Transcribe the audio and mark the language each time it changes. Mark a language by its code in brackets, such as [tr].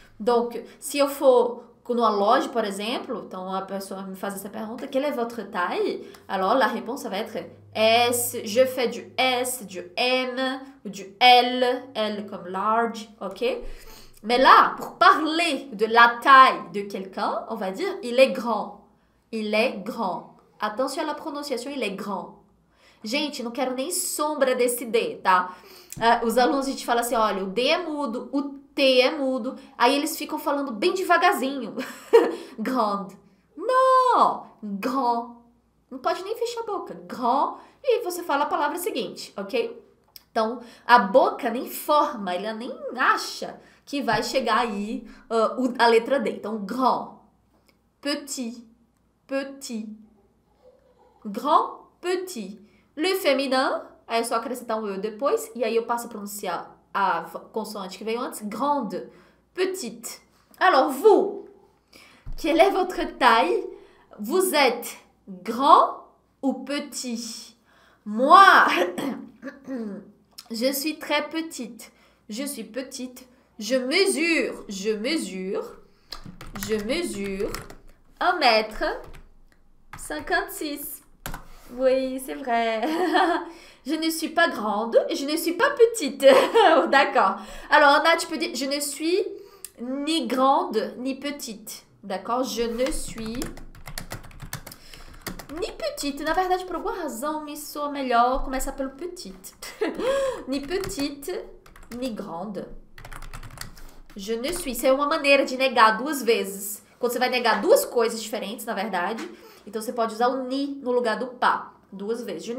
[pt] Donc, si eu for numa loja, por exemplo, então a pessoa me faz essa pergunta: [fr] Quelle est votre taille? Alors, la réponse va être. S, je fais du S, du M, du L, L comme large, ok? Mais là, pour parler de la taille de quelqu'un, on va dire il est grand. Il est grand. Attention à la prononciation, il est grand. [pt] Gente, não quero nem sombra desse D, tá? Os alunos, a gente fala assim: olha, o D é mudo, o T é mudo, aí eles ficam falando bem devagarzinho. Grand. Não! Grand. Não pode nem fechar a boca. Grand. E você fala a palavra seguinte, ok? Então, a boca nem forma, ele nem acha que vai chegar aí a letra D. Então, grand, petit, petit. [fr] Grand, petit. Le féminin, [pt] aí é só acrescentar um eu depois, e aí eu passo a pronunciar a consoante que veio antes. [fr] Grande, petite. Alors, vous, quelle est votre taille? Vous êtes grand ou petit? Moi, je suis très petite. Je suis petite. Je mesure 1,56 m. Oui, c'est vrai. Je ne suis pas grande et je ne suis pas petite. D'accord. Alors, Anna, tu peux dire, je ne suis ni grande ni petite. D'accord? Je ne suis ni petite, [pt] na verdade, por alguma razão me soa melhor começar pelo petite. [fr] Ni petite, ni grande. Je ne suis. [pt] Isso é uma maneira de negar duas vezes. Quando você vai negar duas coisas diferentes, na verdade, então você pode usar o ni no lugar do pas, duas vezes.